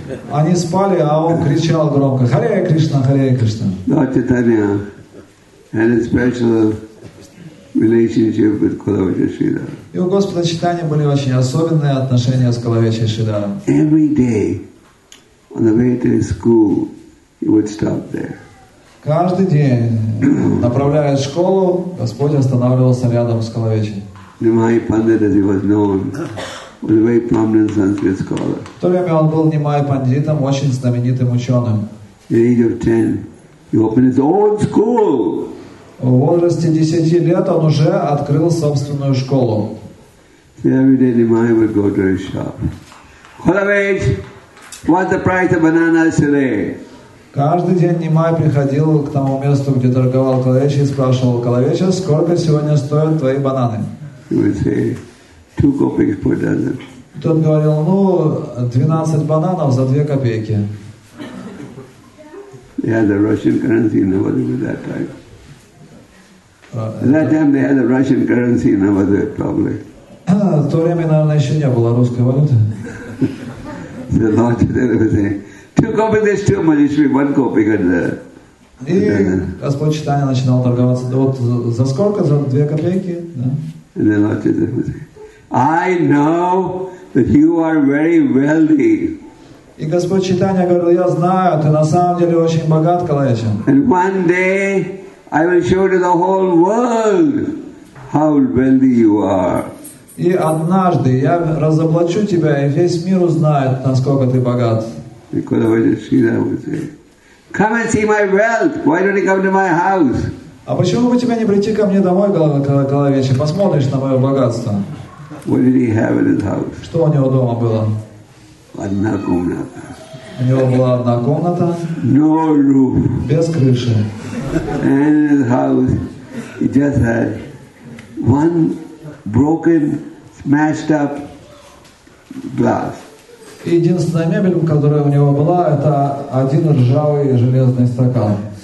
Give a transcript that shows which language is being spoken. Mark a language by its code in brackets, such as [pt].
[ru] Они спали, а он кричал громко: «Харе Кришна, Харе Кришна». [en] Lord Chaitanya had a special relationship with Kalavecha Sridhar. [ru] И у Господа Чайтаньи были очень особенные отношения с Калавечей Шридаром. [en] Every day, on the way to school, he would stop there. [ru] Каждый день, направляясь в школу, Господь останавливался рядом с Калавечей. [en] Nimai Pandit, as he was known, was a very prominent Sanskrit scholar. [ru] В то время он был Нимай Пандитом, очень знаменитым ученым. [en] At the age of 10, he opened his own school. [ru] В возрасте 10 лет он уже открыл собственную школу. [en] Every day Nimai would go to his shop. Kalavech, what's the price of bananas today? [ru] Каждый день Нимай приходил к тому месту, где торговал Калавеча, и спрашивал: «Калавеча, сколько сегодня стоят твои бананы?» [en] He would say, two copeks per dozen. [ru] Тот говорил: «Ну, 12 бананов за 2 копейки». [en] They had the Russian currency in Navadvip at that time. At that time they had the Russian currency in Navadvip, probably. [ru] В то время, наверное, еще не было русской валюты. [en] The Lord Chaitanya would say, two copeks is too much, it should be one copek at the... [ru] И Господь Чайтанья начинал торговаться. Вот за сколько? За 2 копейки? [en] And the Lord Chaitanya would say, I know that you are very wealthy. [ru] И Господь Чайтанья говорил: я знаю, ты на самом деле очень богат, Калавеча. [en] And one day I will show to the whole world how wealthy you are. [ru] И однажды я разоблачу тебя, и весь мир узнает, насколько ты богат. [en] And Калавеча Шридар would say, come and see my wealth. Why don't you come to my house? [ru] А почему бы тебе не прийти ко мне домой, Калавеча, посмотришь на мое богатство? [en] What did he have in his house? [ru] Что у него дома было? Одна комната. У него была одна комната. [en] No roof. [ru] Без крыши. [en] And in his house he just had one broken, smashed up glass. [ru] Единственная мебель, которая у него была, это один ржавый железный стакан.